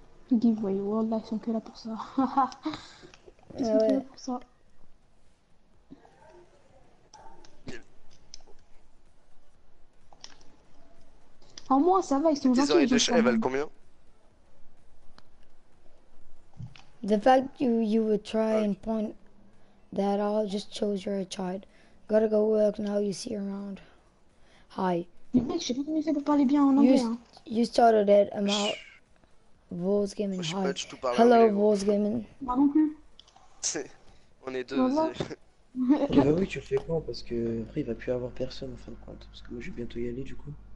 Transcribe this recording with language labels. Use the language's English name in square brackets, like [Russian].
[French] J'avoue. Giveaway World, là, ils sont que là pour ça. Ils sont que là pour ça. En moi, ça va, ils sont gentils. Tes oreilles de chat, elles valent combien? [English] The fact you would try and point that all just shows you're a child. Gotta go work now, you see around. Hi. [French] Mais mec, je sais pas comment ça peut parler bien en anglais. [English] You, hein. You started it, I'm out. Vols Gaming, hi. Hello, Vols Gaming. [French] Moi non plus. On est deux. Voilà. Bah oui, tu le fais quand? Parce que après, il va plus avoir personne en fin de compte. Parce que moi, je vais bientôt y aller du coup.